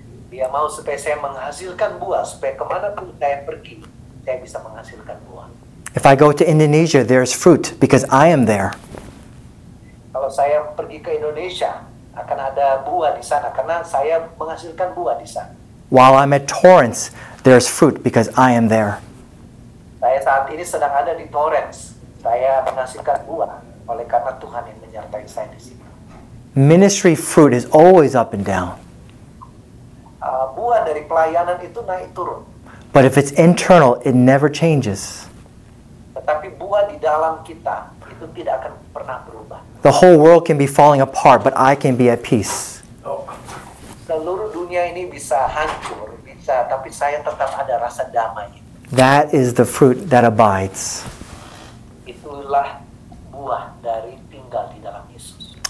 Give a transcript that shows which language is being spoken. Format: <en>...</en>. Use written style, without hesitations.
<id>Dia mau supaya saya menghasilkan buah, supaya kemanapun saya pergi, saya bisa menghasilkan buah.</id> <en>If I go to Indonesia, there is fruit because I am there.</en> <id>Kalau saya pergi ke Indonesia, akan ada buah di sana karena saya menghasilkan buah di sana.</id> <en>While I'm at Torrance, there's fruit because I am there.</en> <id>Saya saat ini sedang ada di Torrance. Saya menghasilkan buah oleh karena Tuhan yang menyertai saya di sini.</id> <en>Ministry fruit is always up and down.</en> <id>Buah dari pelayanan itu naik turun.</id> <en>But if it's internal, it never changes.</en> <id>Tetapi buah di dalam kita itu tidak akan pernah berubah.</id> <en>The whole world can be falling apart, but I can be at peace.</en> <id>Seluruh dunia ini bisa hancur, bisa, tapi saya tetap ada rasa damai.</id> <en>That is the fruit that abides.</en> <id>Itulah buah dari tinggal di dalam Yesus.</id>